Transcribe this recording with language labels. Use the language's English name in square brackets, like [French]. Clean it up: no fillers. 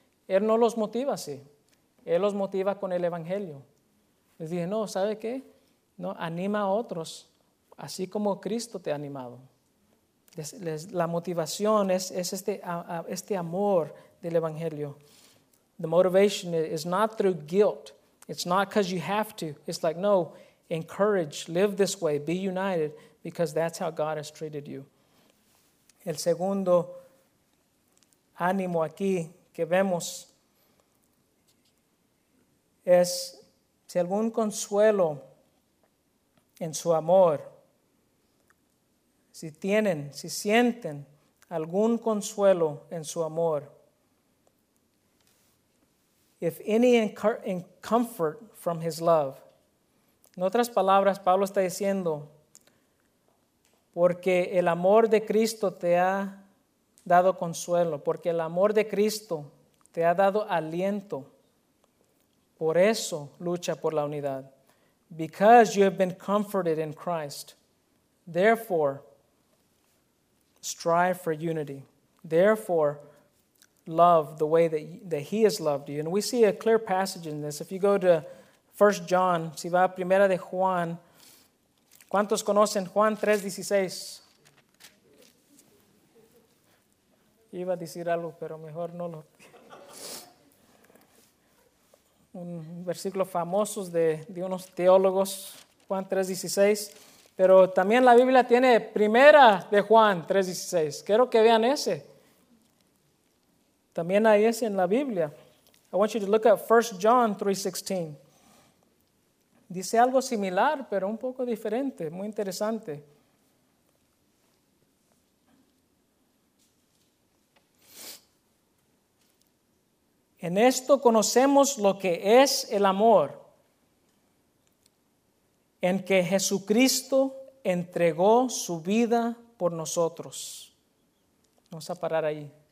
[Spanish] Él no los motiva así, él los motiva con el evangelio. Les dije, no, ¿sabe qué? No, anima a otros, así como Cristo te ha animado. La motivación es este amor del evangelio. [English] The motivation is not through guilt. It's not because you have to. It's like, no, encourage, live this way, be united, because that's how God has treated you. [Spanish] El segundo ánimo aquí que vemos es, si algún consuelo en su amor, si tienen, si sienten algún consuelo en su amor, [English] if any in comfort from his love. [Spanish] En otras palabras, Pablo está diciendo, porque el amor de Cristo te ha dado consuelo, porque el amor de Cristo te ha dado aliento. Por eso lucha por la unidad. [English] Because you have been comforted in Christ. Therefore, strive for unity. Therefore, love the way that he has loved you. And we see a clear passage in this. If you go to 1 John, [Spanish] si va a Primera de Juan, ¿cuántos conocen Juan 3:16? Iba a decir algo, pero mejor no lo... Un versículo famoso de unos teólogos, Juan 3:16. Pero también la Biblia tiene Primera de Juan 3:16. Quiero que vean ese. También hay ese en la Biblia. [English] I want you to look at 1 John 3:16. [Spanish] Dice algo similar, pero un poco diferente, muy interesante. En esto conocemos lo que es el amor, en que Jesucristo entregó su vida por nosotros. Vamos a parar ahí.